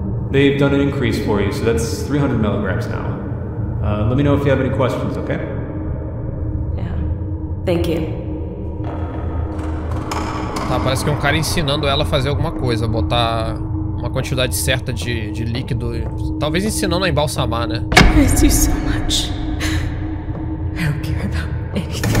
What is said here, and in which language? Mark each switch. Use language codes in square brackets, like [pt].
[en] They've done an increase for you, so that's 300 milligrams now. Let me know if you have any questions, okay? Yeah. Thank you. [pt] Tá, parece que é um cara ensinando ela a fazer alguma coisa, botar uma quantidade certa de líquido. Talvez ensinando a embalsamar, né? [en] Thank you so much. I don't care about anything.